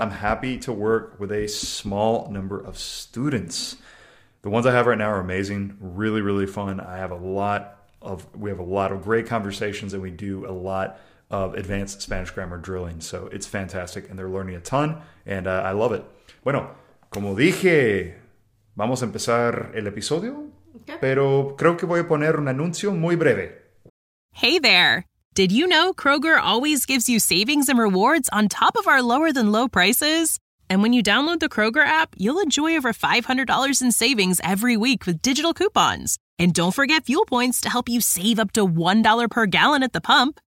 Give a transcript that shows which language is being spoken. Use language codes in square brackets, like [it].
[en] I'm happy to work with a small number of students. The ones I have right now are amazing, really, really fun. We have a lot of great conversations, and we do a lot of advanced Spanish grammar drilling. So it's fantastic, and they're learning a ton, and I love it. [es] Bueno, como dije, vamos a empezar el episodio, pero creo que voy a poner un anuncio muy breve. [en] Hey there. Did you know Kroger always gives you savings and rewards on top of our lower than low prices? And when you download the Kroger app, you'll enjoy over $500 in savings every week with digital coupons. And don't forget fuel points to help you save up to $1 per gallon at the pump.